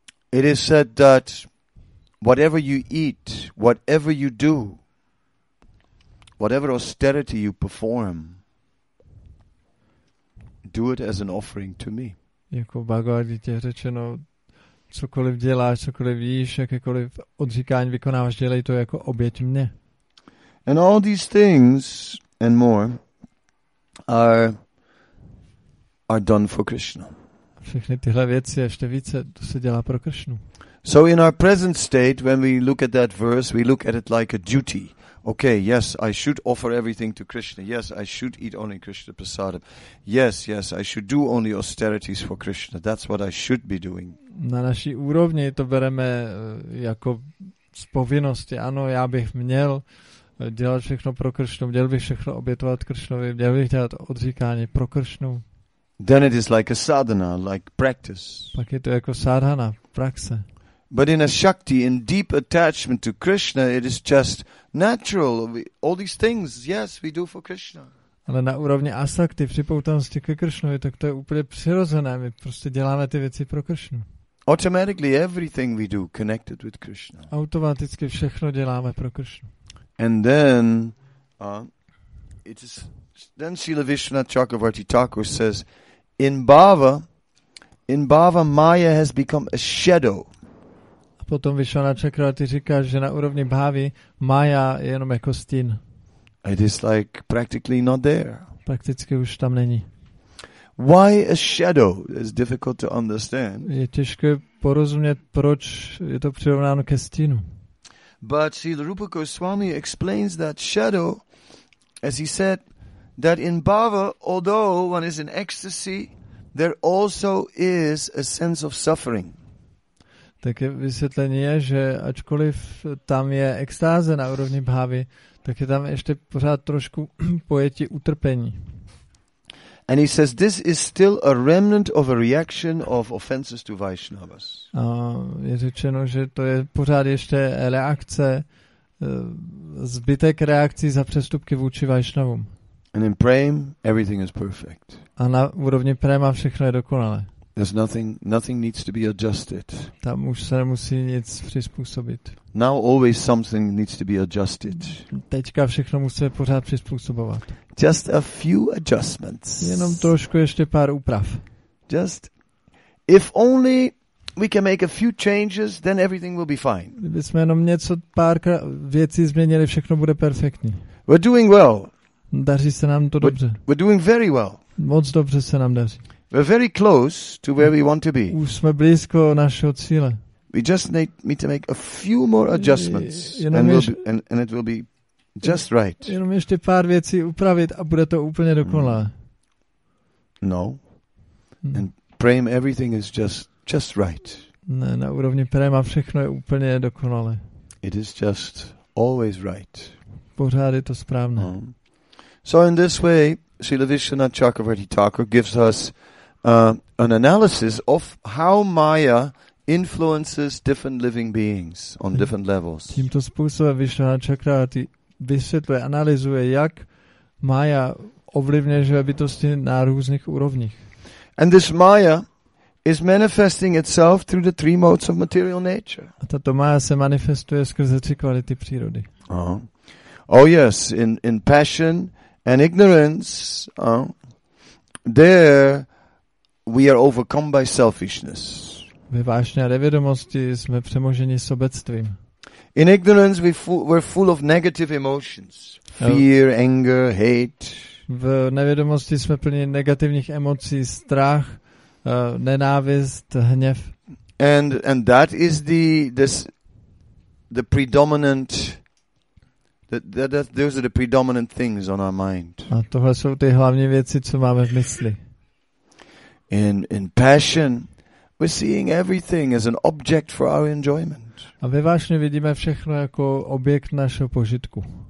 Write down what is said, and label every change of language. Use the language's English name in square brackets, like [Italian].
[English] It is said that whatever you eat, whatever you do, whatever austerity you perform, do it as an offering to me. [Czech] Jako Bhagavad Gita řečeno, cokoliv děláš, cokoliv jíš, jakékoliv odříkání vykonáváš, dělej to jako oběť mně. [English] And all these things and more are done for Krishna. [Czech] Všechny tyhle věci ještě více to se dělá pro Kršnu. [English] So in our present state, when we look at that verse, we look at it like a duty. Okay, yes, I should offer everything to Krishna. Yes, I should eat only Krishna prasadam. Yes, yes, I should do only austerities for Krishna. That's what I should be doing. [Czech] Na naší úrovni to bereme jako z povinnosti. Ano, já bych měl dělat všechno pro Krishnu. Měl bych všechno obětovat Krishnovi. Měl bych dělat odříkání pro Krishnu. [English] Then it is like a sadhana, like practice. [Czech] Pak je to jako sadhana, praxe. [English] But in a shakti, in deep attachment to Krishna, it is just natural. All these things, yes, we do for Krishna. [Czech] Ale na úrovni asakti, připoutanosti ke Krishnovi, tak to je úplně přirozené. My prostě děláme ty věci pro Krishnu. [English] Automatically everything we do connected with Krishna. [Czech] Automaticky všechno děláme pro Krishnu. [English] And then, it is, then Srila Vishwanath Chakravarti Thakur says, in Bhava, Maya has become a shadow. [Czech] Potom Vishwanath Chakravarti říká, že na úrovni bhávy Maya je jenom jako stín. [English] It is like practically not there. [Czech] Prakticky už tam není. [English] Why a shadow? It's difficult to understand. [Czech] Je těžké porozumět, proč je to přirovnáno ke stínu. [English] But Srila Rupa Goswami explains that shadow, as he said, that in bhava, although one is in ecstasy, there also is a sense of suffering. [Czech] Tak vysvětlení je, že ačkoliv tam je extáze na úrovni bhávy, tak je tam ještě pořád trošku pojetí utrpení. [English] And he says this is still a remnant of a reaction of offenses to Vaishnavas. [Czech] A je řečeno, že to je pořád ještě reakce, zbytek reakcí za přestupky vůči Vaishnavům. [English] And in prem everything is perfect. [Czech] A na úrovni prema všechno je dokonalé. [English] There's nothing needs to be adjusted. [Czech] Tam už se nemusí nic přizpůsobit. [English] Now always something needs to be adjusted. [Czech] Teďka všechno musí pořád přizpůsobovat. [English] Just a few adjustments. [Czech] Jenom trošku ještě pár úprav. [English] Just if only we can make a few changes, then everything will be fine. [Czech] Kdybychom jenom něco pár věcí změnili, všechno bude perfektní. [English] We're doing well. [Czech] Daří se nám to dobře. [English] We're doing very well. [Czech] Moc dobře se nám daří. [English] We're very close to where we want to be. [Czech] Už jsme blízko našeho cíle. [English] We just need to make a few more adjustments and it will be just right. [Czech] Jenom ještě pár věcí upravit a bude to úplně dokonalé. [English] No. And prem everything is just right. [Czech] Ne, na úrovni prema všechno je úplně dokonalé. [English] It is just always right. [Czech] Pořád je to správné. [English] So in this way, Srila Vishwanath Chakravarti Thakur gives us an analysis of how Maya influences different living beings on different levels. [Czech] Tímto způsobem Vishwanath Chakravarti vysvětluje, analyzuje, jak Maya ovlivňuje živé bytosti na různých úrovních. [English] And this Maya is manifesting itself through the three modes of material nature. [Czech] A tato Maya se manifestuje skrze tři kvality přírody. [English] Oh yes, in passion and ignorance, there we are overcome by selfishness. [Czech] Ve vášně a nevědomosti jsme přemoženi sobectvím. [English] In ignorance we're full of negative emotions. Fear, anger, hate. [Czech] V nevědomosti jsme plní negativních emocí, strach, nenávist, hněv. [English] And that is the the predominant those are the predominant things on our mind. [Czech] A tohle jsou ty hlavní věci, co máme v mysli. [English] In passion, we're seeing everything as an object for our enjoyment. [Czech] A ve vášni vidíme všechno jako objekt našeho požitku.